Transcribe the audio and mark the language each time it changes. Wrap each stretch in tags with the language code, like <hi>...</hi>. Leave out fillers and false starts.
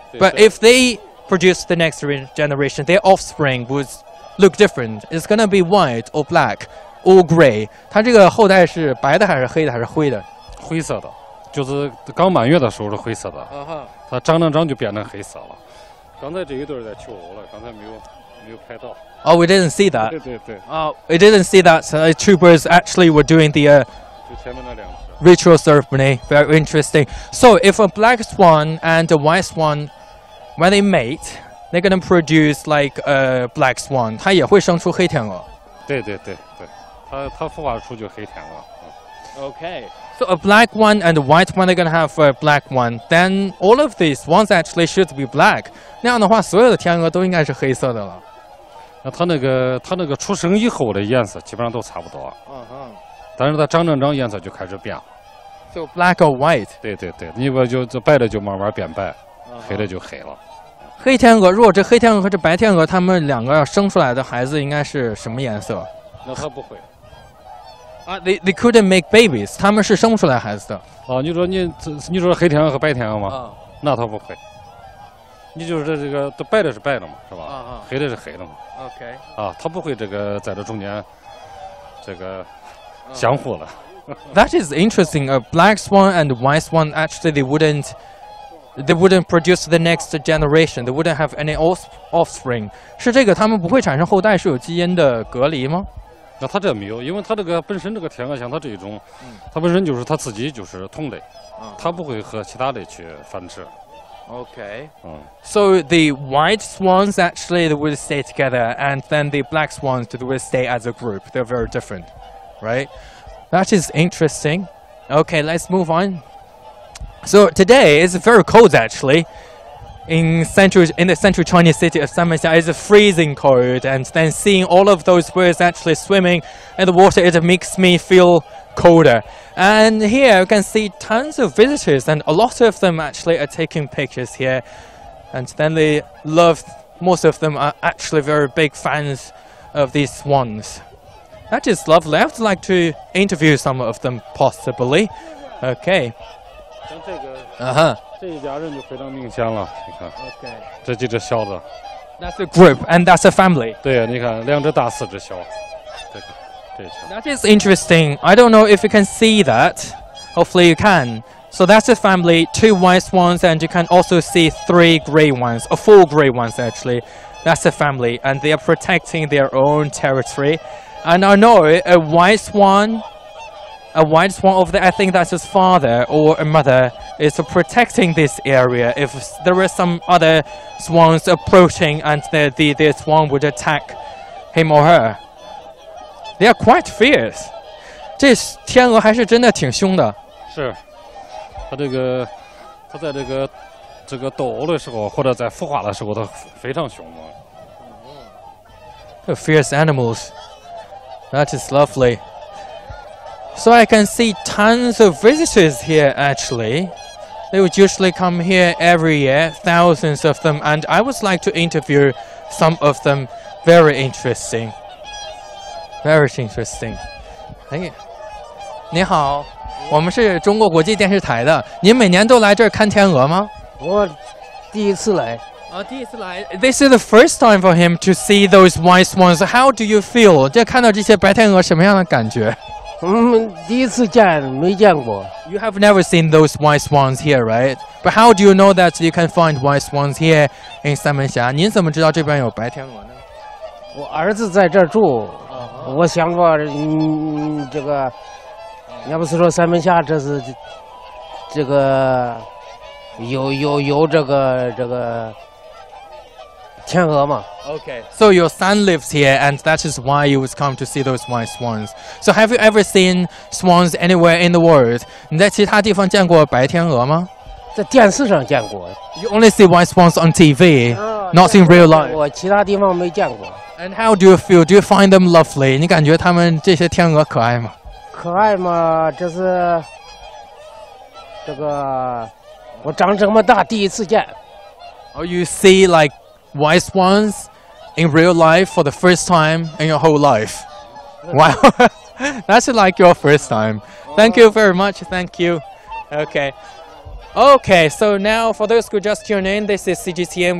<en>But if they produce the next generation, their offspring would look different. It's gonna be white or black. All gray.</en> <zh>它这个后代是白的还是黑的还是灰的？灰色的，就是刚满月的时候是灰色的。它长就变成黑色了。刚才这一对在求偶了，刚才没有拍到。</zh> <en>Oh, we didn't see that.</en> <zh>对对对。</zh> <en>Oh, we didn't see that. Two birds actually were doing the ritual ceremony. Very interesting. So, if a black swan and a white swan, when they mate, they're going to produce like a black swan.</en> <zh>它也会生出黑天鹅。对对对对。它孵化出就黑天鹅。</zh> <en>Okay, so a black one and a white one, they're gonna have a black one. Then all of these ones actually should be black.</en> <zh>那样的话，所有的天鹅都应该是黑色的了。那它那个出生以后的颜色基本上都差不多。但是它长颜色就开始变。</zh> <en>So black or white?</en> <zh>对对对，你不就这白的就慢慢变白，黑的就黑了。黑天鹅，如果这黑天鹅和这白天鹅它们两个要生出来的孩子应该是什么颜色？那他不会。</zh> <en>They couldn't make babies.</en> <zh>他们是生出来孩子的。哦，你说黑天鹅和白天鹅吗？那他不会。你就是这个都白的是白的嘛，是吧？黑的是黑的嘛。 OK。啊，他不会这个在这中间这个相互了。</zh> <en>That is interesting. A black swan and white swan actually they wouldn't produce the next generation. They wouldn't have any offspring.</en> <zh>是这个他们不会产生后代是有基因的隔离吗？那它这没有，因为它这个本身这个天鹅像它这一种，它本身就是它自己就是同类，它不会和其他类去繁殖。</zh> <en>Okay. So the white swans actually they will stay together, and then the black swans they will stay as a group. They're very different, right? That is interesting. Okay, let's move on. So today is very cold actually. In the central Chinese city of Sanmenxia, it's freezing cold, and then seeing all of those birds actually swimming in the water, it makes me feel colder. And here you can see tons of visitors, and a lot of them actually are taking pictures here. And then they love, most of them are actually very big fans of these swans. That is lovely. I would like to interview some of them, possibly. Okay. Uh-huh.</en> <zh>这一家人就非常明显了，你看，</zh> <en>okay.</en> <zh>这几只小子。</zh> <en>That's a group and that's a family.</en> <zh>对，你看两只大，四只小，</zh> <en>That is interesting. I don't know if you can see that. Hopefully you can. So that's a family, two white swans, and you can also see three gray ones, or four gray ones actually. That's a family, and they are protecting their own territory. And I know a white swan over there, I think that's his father or a mother, is protecting this area. If there were some other swans approaching and the swan would attack him or her. They are quite fierce.</en> <zh>这天鹅还是真的挺凶的。是，它这个，它在这个，这个斗殴的时候，或者在孵化的时候，它非常凶猛。</zh> <en>The fierce animals. That is lovely. So I can see tons of visitors here, actually. They would usually come here every year, thousands of them, and I would like to interview some of them. Very interesting. Very interesting. Hey.</en> <zh>你好，我们是中国国际电视台的。您每年都来这儿看天鹅吗？我第一次来。第一次来。</zh> <en>This is the first time for him to see those white swans. How do you feel?</en> <zh>这看到这些白天鹅什么样的感觉？第一次见，没见过。</zh> <en>You have never seen those white swans here, right? But how do you know that you can find white swans here in Sanmenxia?</en> <zh>您怎么知道这边有白天鹅呢？我儿子在这儿住。我想过，这个。要不是说三门下这是这个有这个天鹅嘛。</zh> <en>Okay. So your son lives here and that is why you would come to see those white swans. So have you ever seen swans anywhere in the world?</en> <zh>你在其他地方见过白天鹅吗？在电视上见过。</zh> <en>You only see white swans on TV, not in real life.</en> <zh>我其他地方没见过。</zh> <en>And how do you feel? Do you find them lovely?</en> <zh>你感觉他们这些天鹅可爱吗？可爱嘛，这是这个我长这么大第一次见。</zh> <en>Oh, you see like white swans in real life for the first time in your whole life. Wow, that's like your first time. Thank you very much. Thank you. Okay. Okay, so now for those who just tuned in, this is CGTN.</en>